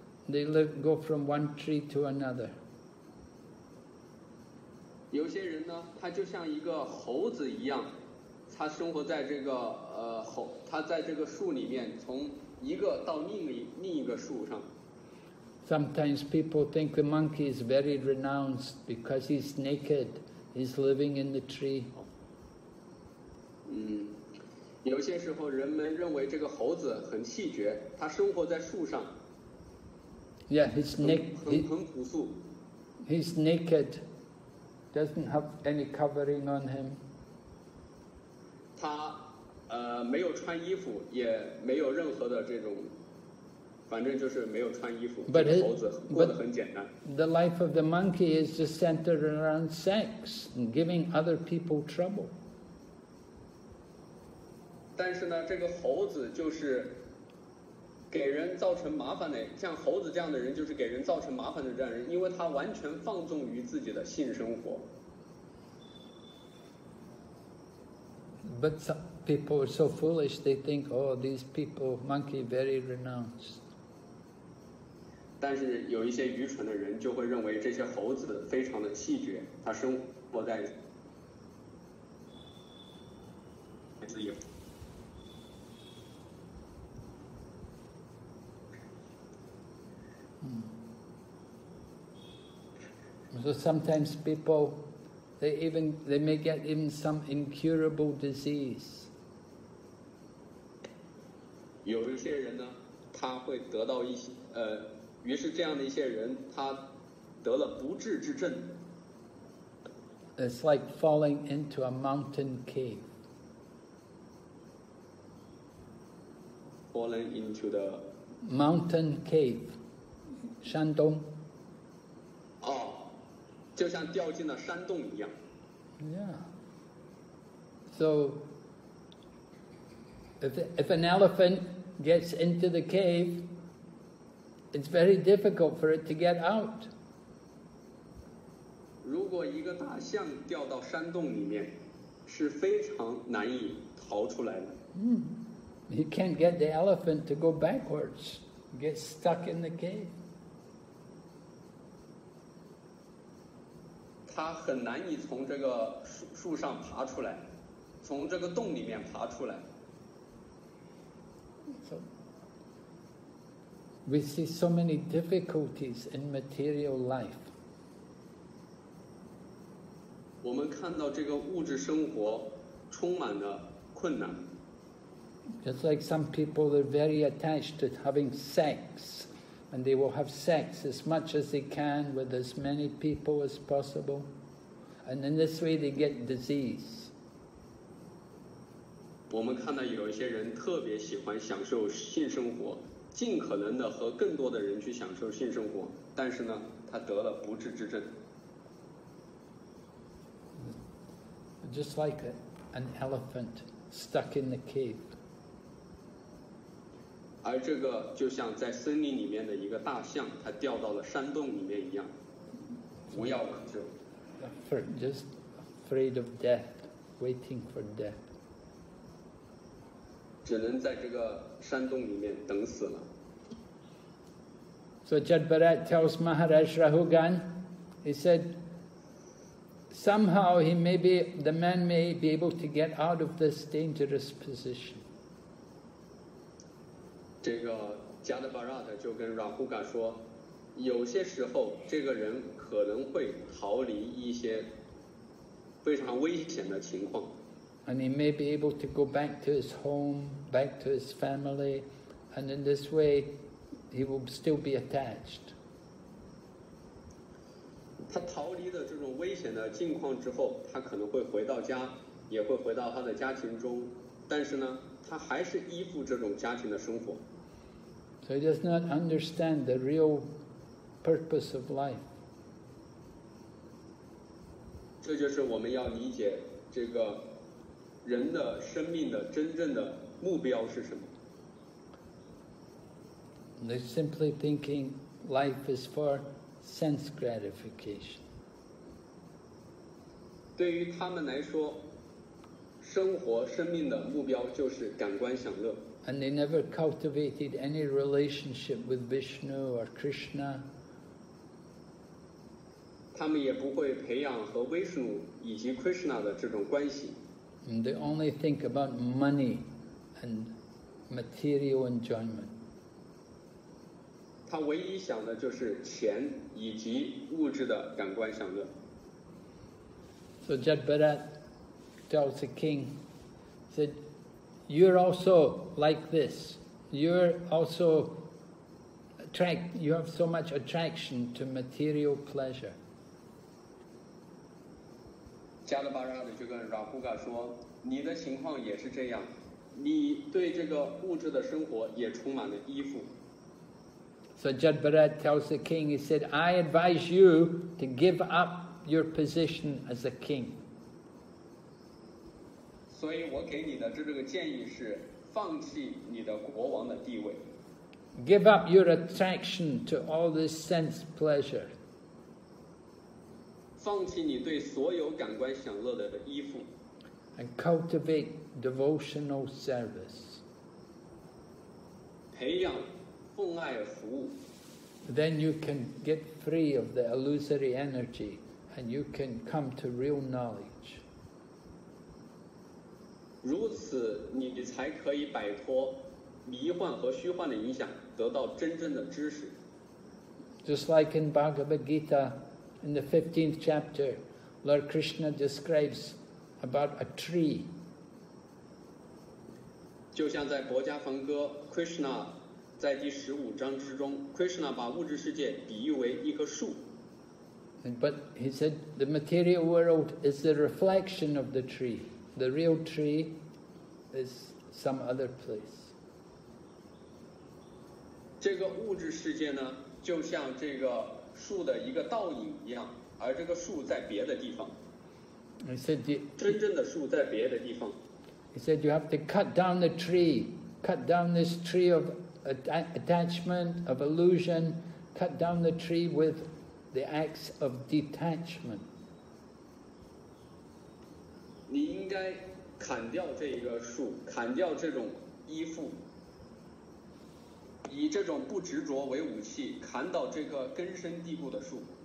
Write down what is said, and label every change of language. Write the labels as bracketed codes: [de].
[en] They live, go from one tree to another. [zh] 有些人呢他就像一个猴子一样，他生活在这个猴，他在这个树里面，从一个到另一个树上。 [en] Sometimes people think the monkey is very renounced because he's naked, he's living in the tree. [zh] 嗯，有些时候人们认为这个猴子很气绝，他生活在树上。 [en] Yeah, he's naked. [zh] 很朴素。 [en] He's naked, doesn't have any covering on him. [zh] 他没有穿衣服，也没有任何的这种，反正就是没有穿衣服。 [en] But [zh] 这个猴子过得很简单。 [en] The life of the monkey is just centered around sex and giving other people trouble. [zh] 但是呢，这个猴子就是给人造成麻烦的，像猴子这样的人就是给人造成麻烦的这样的人，因为他完全放纵于自己的性生活。 [en] But some people are so foolish, they think, oh, these people, monkey, very renounced. [zh] 但是有一些愚蠢的人就会认为这些猴子非常的气绝，他生活在自由。 [en] So sometimes people... They may get even some incurable disease. [zh] 有一些人呢，他会得到一些于是这样的一些人，他得了不治之症。 [en] It's like falling into a mountain cave. Falling into the mountain cave, Shandong. [zh] 哦，就像掉进了山洞一样。 [en] Yeah. So, if an elephant gets into the cave, it's very difficult for it to get out. [zh] 如果一个大象掉到山洞里面，是非常难以逃出来的。 [en] You can't get the elephant to go backwards, get stuck in the cave. [zh] 他很难以从这个树上爬出来，从这个洞里面爬出来。 [en] So, we see so many difficulties in material life. [zh] 我们看到这个物质生活充满了困难。 [en] Just like some people are very attached to having sex. And they will have sex as much as they can with as many people as possible. And in this way they get disease. [zh] 我们看到有一些人特别喜欢享受性生活，尽可能的和更多的人去享受性生活，但是呢，他得了不治之症。 [en] Just like an elephant stuck in the cave. [zh] 而这个就像在森林里面的一个大象，它掉到了山洞里面一样，无药可救。 [en] Just afraid of death, waiting for death. [zh] 只能在这个山洞里面等死了。 [en] So Jadbarat tells Maharaj Rahugan, he said, somehow the man may be able to get out of this dangerous position. [zh] 这个加德巴拉特就跟拉胡嘎说，有些时候这个人可能会逃离一些非常危险的情况。 [en] And he may be able to go back to his home, back to his family, and in this way, he will still be attached. [zh] 他逃离了这种危险的境况之后，他可能会回到家，也会回到他的家庭中，但是呢，他还是依附这种家庭的生活。 [en] So he does not understand the real purpose of life. [zh] 这就是我们要理解这个人的生命的真正的目标是什么。 [en] They're simply thinking life is for sense gratification. [zh] 对于他们来说，生活生命的目标就是感官享乐。 [en] And they never cultivated any relationship with Vishnu or Krishna. [zh] 他们也不会培养和 Vishnu 以及 Krishna 的这种关系。 [en] And they only think about money and material enjoyment. [zh] 他唯一想的就是钱以及物质的感官享乐。 [en] So Jad Bharat tells the king, said,You're also like this. You're also attract. You have so much attraction to material pleasure. [zh] Jadabara 就跟 Rahuga 说，你的情况也是这样，你对这个物质的生活也充满了依附。 [en] So Jadabara tells the king. He said, "I advise you to give up your position as a king." [zh] 所以我给你的这个建议是放弃你的国王的地位。 [en] Give up your attraction to all this sense pleasure. [zh] 放弃你对所有感官享乐的依附。 [en] And cultivate devotional service. [zh] 培养奉爱服务。 [en] Then you can get free of the illusory energy and you can come to real knowledge. [zh] 如此你才可以摆脱迷幻和虚幻的影响，得到真正的知识。 [en] Just like in Bhagavad Gita in the 15th chapter, Lord Krishna describes about a tree. [zh] 就像在薄伽梵歌 Krishna 在第十五章之中， Krishna 把物质世界比喻为一棵树。 [en] But he said the material world is the reflection of the tree. The real tree is some other place. [zh] 这个物质世界呢，就像这个树的一个倒影一样，而这个树在别的地方。 [en] He said, [zh] 真正的树在别的地方。 [en] He said, you have to cut down the tree, cut down this tree of attachment, of illusion, cut down the tree with the axe of detachment. [zh] 你应该砍掉这一个树，砍掉这种依附，以这种不执着为武器，砍倒这个根深蒂固的树。